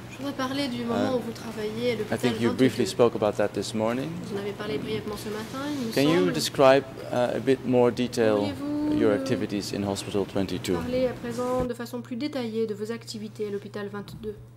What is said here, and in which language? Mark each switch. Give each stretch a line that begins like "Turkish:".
French: Je voudrais parler du moment où vous travaillez à l'hôpital.
English: I think you briefly spoke about that this morning.
French: Vous en avez parlé brièvement ce matin, il me
English: Can
French: semble.
English: You describe a bit more detail your activities in Hospital 22?
French: Parler à présent de façon plus détaillée de vos activités à l'hôpital 22.